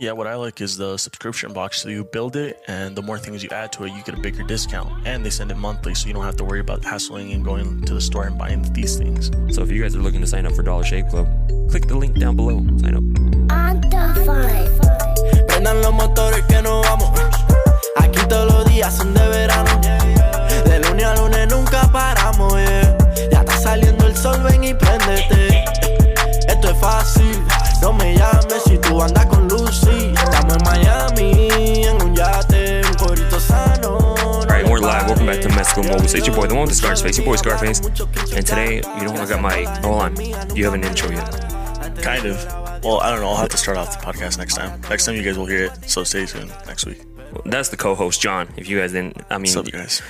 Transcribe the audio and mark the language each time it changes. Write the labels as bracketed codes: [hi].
[en] Yeah, what I like is the subscription box. So you build it and the more things you add to it, you get a bigger discount, and they send it monthly, so you don't have to worry about hassling and going to the store and buying these things. So if you guys are looking to sign up for Dollar Shave Club, click the link down below. Sign up. On the five. [es] Prendan los motores que nos vamos. Aquí todos los días son de verano. De lunes a lunes nunca paramos, yeah. Ya está saliendo el sol, ven y préndete. Esto es fácil. No me llames si tú andas con Lucy. Estamos en Miami, en un yate, un corito sano. [en] We're live. Welcome back to Mexico Mobile. It's your boy, the one with the Scarface. Your boy, Scarface. And today, you know, I got my... Hold on. You have an intro yet? Kind of. Well, I don't know. I'll have to start off the podcast next time. Next time you guys will hear it. So stay tuned next week. Well, that's the co-host, John. If you guys didn't... I mean... What's up, guys?